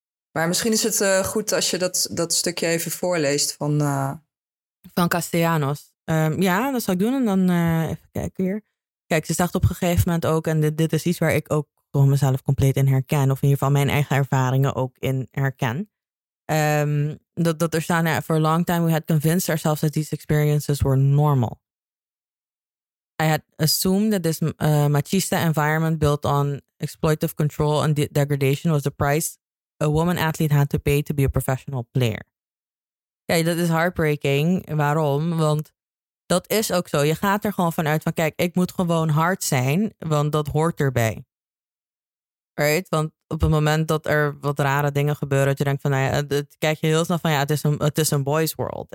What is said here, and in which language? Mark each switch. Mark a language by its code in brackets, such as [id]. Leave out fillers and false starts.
[nl] Maar misschien is het goed als je dat stukje even voorleest van... Van Castellanos. Ja, dat zal ik doen. En dan even kijken hier. Kijk, ze zegt op een gegeven moment ook... En dit is iets waar ik ook voor mezelf compleet in herken. Of in ieder geval mijn eigen ervaringen ook in herken. Dat er staan, [en] for a long time we had convinced ourselves that these experiences were normal. I had assumed that this machista environment built on exploitive control and degradation was the price a woman athlete had to pay to be a professional player. [nl] Ja, dat is heartbreaking. Waarom? Want dat is ook zo. Je gaat er gewoon vanuit van, kijk, ik moet gewoon hard zijn, want dat hoort erbij. Right? Want op het moment dat er wat rare dingen gebeuren, dat je denkt van, nou ja, het kijk je heel snel van, ja, het is een boys world.